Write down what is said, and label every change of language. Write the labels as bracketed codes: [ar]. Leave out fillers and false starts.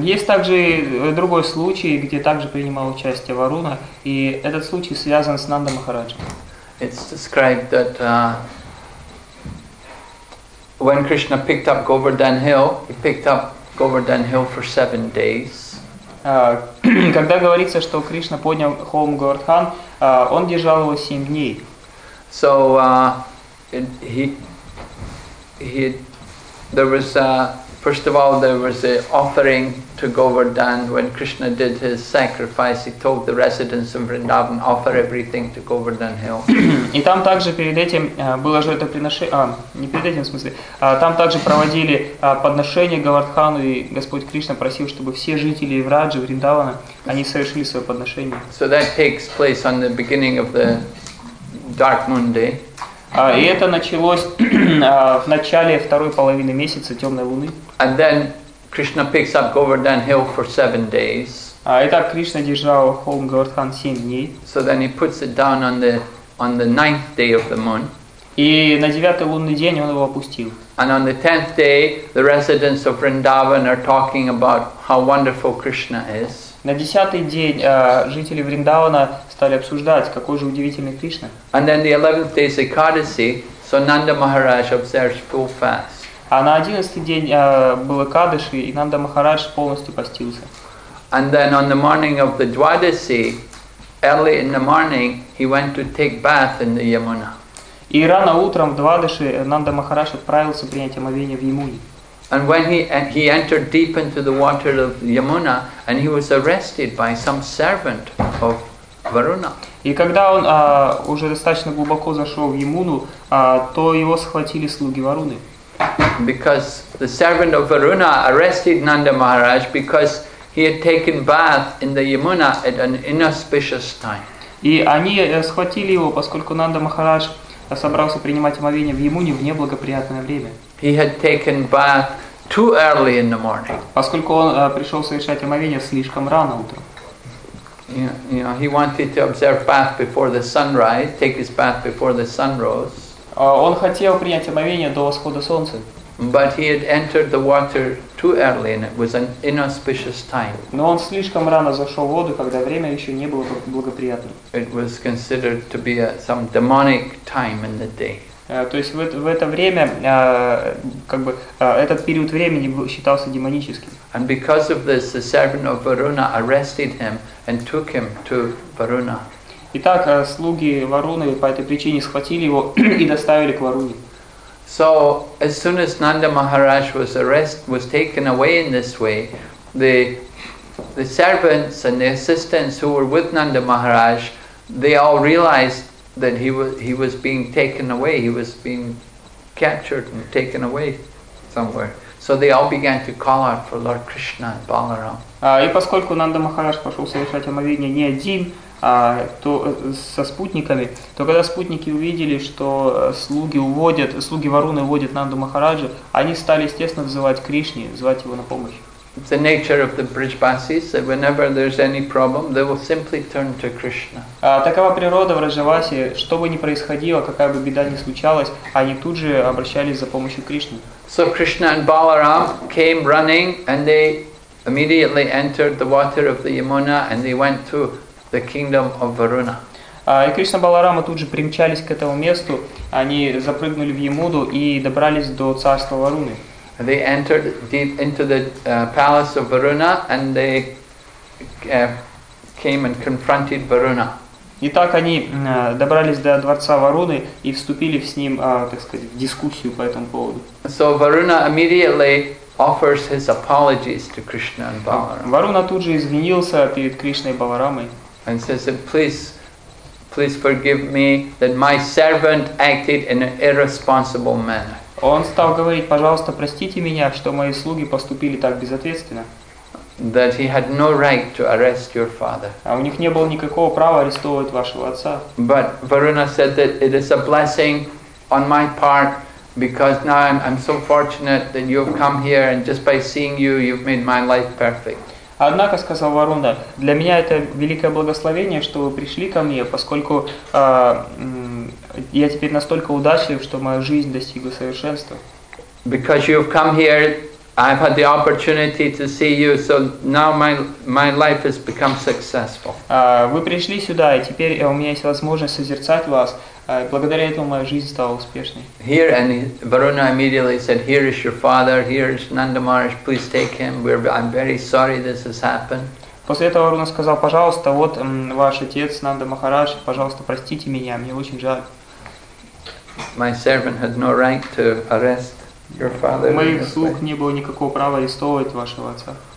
[ru] Есть также другой случай, где также принимал участие Варуна, и этот случай связан с Нанда Махараджем. [en] It's described that when Krishna picked up Govardhan Hill, he picked up Govardhan Hill for 7 days. [ru] Когда говорится, что Кришна поднял холм Говардхан, он держал его 7 дней. [en] So there was an offering to Govardhan when Krishna did his sacrifice. He told the residents of Vrindavan, offer everything to Govardhan Hill. [ru] И там также перед этим было жертвоприношение, не перед этим в смысле, там также проводили подношение Говардхану, и Господь Кришна просил, чтобы все жители Враджи, Вриндавана, они совершили свое подношение. [en] So that takes place on the beginning of the Dark Moon Day. [ru] И это началось в начале второй половины месяца темной луны. [en] And then Krishna picks up Govardhan Hill for 7 days. [ru] Итак, Кришна держал холм Говардхан 7 дней. [en] So then he puts it down on the ninth day of the moon. [ru] И на 9-й лунный день он его опустил. [en] And on the 10th day, the residents of Vrindavan are talking about how wonderful Krishna is. [ru] На 10-й день жители Вриндавана стали обсуждать, какой же удивительный Кришна. [en] And then the 11th day is Ekadasi, so Nanda Maharaj observes full fast. [ru] А на 11-й день был Экадаши, и Нанда Махарадж полностью постился. [en] And then on the morning of the Dwadasi, early in the morning, he went to take bath in the Yamuna. [ru] И рано утром в Двадаши Нанда Махарадж отправился принять омовение в Ямуне. [en] And when he entered deep into the water of Yamuna, and he was arrested by some servant of Varuna. [ru] И когда он уже достаточно глубоко зашел в Ямуну, то его схватили слуги Варуны. [en] Because the servant of Varuna arrested Nanda Maharaj because he had taken bath in the Yamuna at an inauspicious time. [ru] И они схватили его, поскольку Нанда Махарадж собрался принимать омовение в Ямуне в неблагоприятное время. [en] He had taken bath too early in the morning. [ru] Поскольку он пришел совершать омовение слишком рано утром. [en] You know, he wanted to observe bath before the sunrise, take his bath before the sun rose. [ru] Он хотел принять омовение до восхода солнца. [en] But he had entered the water too early, and it was an inauspicious time. [ru] Но он слишком рано зашел в воду, когда время еще не было благоприятным. [en] It was considered to be some demonic time in the day. [ru] То есть в это время, как бы, этот период времени считался демоническим. [en] And because of this, the servant of Varuna arrested him and took him to Varuna. [ru] Итак, слуги Варуны по этой причине схватили его и доставили к Варуне. [en] So as soon as Nanda Maharaj was taken away in this way, the servants and the assistants who were with Nanda Maharaj, they all realized that he was being taken away, he was being captured and taken away somewhere. So they all began to call out for Lord Krishna and Balaram. [ru] И поскольку Нанда Махарадж пошел совершать омовение не один, то со спутниками, то когда спутники увидели, что слуги Варуны уводят Нанду Махараджа, они стали, естественно, взывать Кришне, звать его на помощь. [en] It's the nature of the Brijbasis that whenever there's any problem, they will simply turn to Krishna. [ru] Такова природа в Раджавасе, что бы ни происходило, какая бы беда ни случалась, они тут же обращались за помощью к Кришне. [en] So Krishna and Balaram came running, and they immediately entered the water of the Yamuna, and they went to the kingdom of Varuna. [ru] И Кришна Баларама тут же примчались к этому месту, они запрыгнули в Ямуду и добрались до царства Варуны. [en] They entered deep into the palace of Varuna, and they came and confronted Varuna. [ru] Итак, они добрались до дворца Варуны и вступили с ним, так сказать, в дискуссию по этому поводу. [en] So Varuna immediately offers his apologies to Krishna and Balaram. [ru] Варуна тут же извинился перед Кришной и Баларамой. [en] And says, "Please forgive me that my servant acted in an irresponsible manner." [ru] Он стал говорить, пожалуйста, простите меня, что мои слуги поступили так безответственно. [en] That he had no right to arrest your father. [ru] А у них не было никакого права арестовывать вашего отца. [en] But Varuna said that it is a blessing on my part because now I'm so fortunate that you've come here and just by seeing you, you've made my life perfect. [ru] Однако, сказал Варуна, для меня это великое благословение, что вы пришли ко мне, поскольку я теперь настолько удачлив, что моя жизнь достигла совершенства. [en] Because you've come here, I've had the opportunity to see you, so now my life has become successful. [ru] Вы пришли сюда, и теперь у меня есть возможность созерцать вас. Благодаря этому моя жизнь стала успешной. [en] Here, and Varuna immediately said, "Here is your father. Here is Nanda Maharaj. Please take him. I'm very sorry this has happened." [ru] После этого Варуна сказал: "Пожалуйста, вот ваш отец Нанда Махарадж. Пожалуйста, простите меня. Мне очень жаль." [en] My servant had no right to arrest. Your father. [ru] У моих слуг не было никакого права арестовывать вашего отца.